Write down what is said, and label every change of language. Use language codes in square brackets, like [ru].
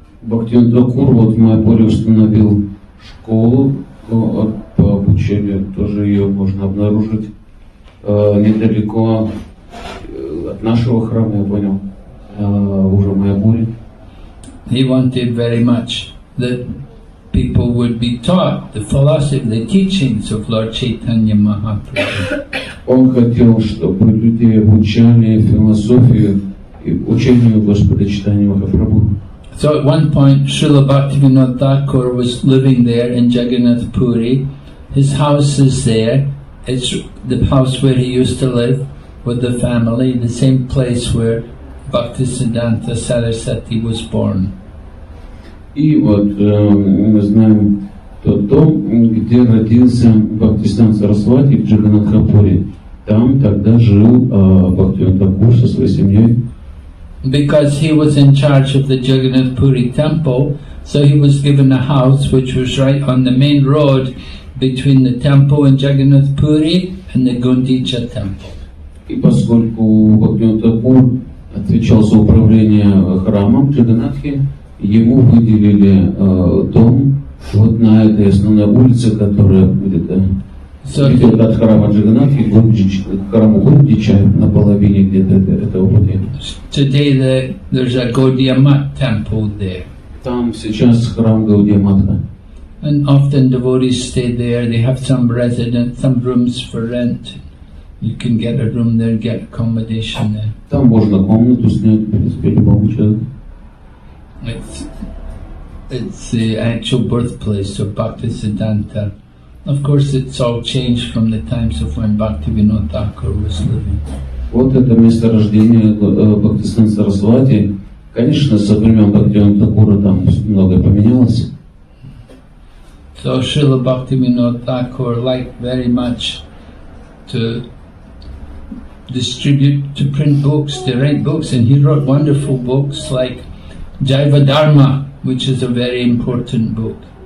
[ru] Бхактивинода Такур вот в Майпуре установил школу. По обучению тоже ее можно обнаружить недалеко от нашего храма, я понял, уже в Майапуре. [en] He wanted very much that people would be taught the philosophy, the teachings of Lord Chaitanya Mahaprabhu. [ru] Он хотел, чтобы люди обучали философию и учению Господа Чайтанья Махапрабху. [en] So at one point, Srila Bhaktivinoda Thakur was living there in Jagannath Puri. His house is there. It's the house where he used to live with the family, the same place where Bhaktisiddhanta Sarasvati was born. [ru] И вот мы знаем тот дом, где родился Бхактисиддханта Сарасвати в Джаганнатхапуре. Там тогда жил Бхактивинода Такур со своей семьей. [en] Because he was in charge of the Jagannath Puri temple, so he was given a house which was right on the main road between the temple in Jagannath Puri and the Gundicha temple. [ru] И поскольку Бхактивинода Такур отвечал за управление храмом Джаганнатхи, ему выделили дом вот на этой основной улице, которая будет идет от храма Джаганнатхи к храму Гундича на половине где-то этого пути. [en] Today there's a Gaudiya Math temple there. [ru] Там сейчас храм Гаудия Матха. [en] And often devotees stay there. They have some residence, some rooms for rent. You can get a room there, get accommodation there. [ru] Там можно комнату снять, в принципе, любому человеку. [en] It's the actual birthplace of Bhaktisiddhanta. Of course, it's all changed from the times of when Bhaktivinod Thakur was living. [ru] Вот это место рождения Бхактисиддханты Сарасвати. Конечно, со времен Бхактивинода Такура там многое поменялось. [en] So Srila Bhaktivinod Thakur liked very much to distribute, to print books, to write books, and he wrote wonderful books like Jaiva Dharma, which is a very important book.